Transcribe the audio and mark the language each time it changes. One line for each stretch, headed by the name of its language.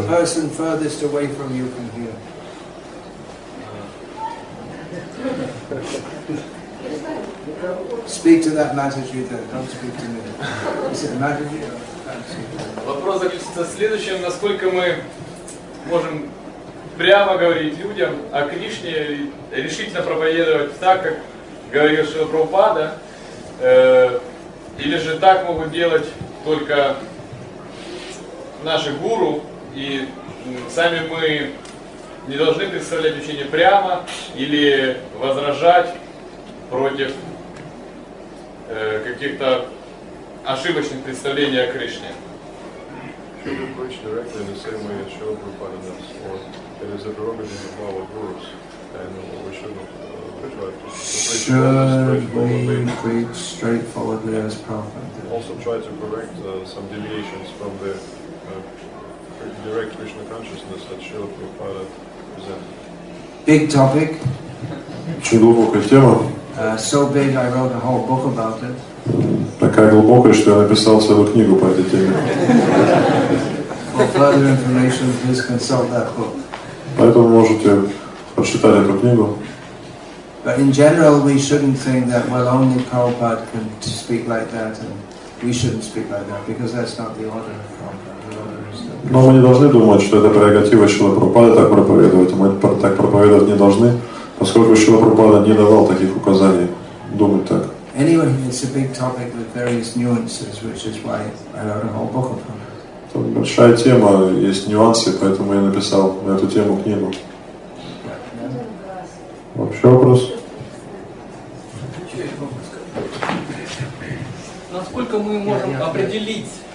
English: So the person furthest away from you can hear. Speak to that Matthew, don't speak to me. Is it Matthew?
Russian: Вопрос заключается в следующем: насколько мы можем прямо говорить людям о Кришне, решительно проповедовать так, как говорил Шрила Прабхупада, или же так могут делать только наши гуру, и сами мы не должны представлять учение прямо или возражать против каких-то ошибочных представлений о Кришне.
English: Should we preach directly in the same way as Srila Prabhupada does, or it is a prerogative of our gurus, and we should not try to preach straightforwardly as Prabhupada. Also try to correct some deviations from the direct Krishna consciousness that Srila Prabhupada presented. Big topic.
Russian: Очень глубокая тема.
English: So big, I wrote a whole book about it.
Russian: Такая глубокая, что я написал целую книгу по этой теме.
English: For further information, please consult that book.
Russian: Поэтому можете прочитать эту книгу.
English: But in general, we shouldn't think that well, only Prabhupada can speak like that, and we shouldn't speak like that, because that's not the order of Prabhupada.
Russian: Но мы не должны думать, что это прерогатива Шрилы Прабхупады так проповедовать, мы так проповедовать не должны, поскольку Шрила Прабхупада не давал таких указаний думать так.
English: Anyway, it's a big topic with various nuances, which is why I wrote a whole book upon it.
Russian: Там большая тема, есть нюансы, поэтому я написал на эту тему книгу. Вообще вопрос? Насколько мы можем определить?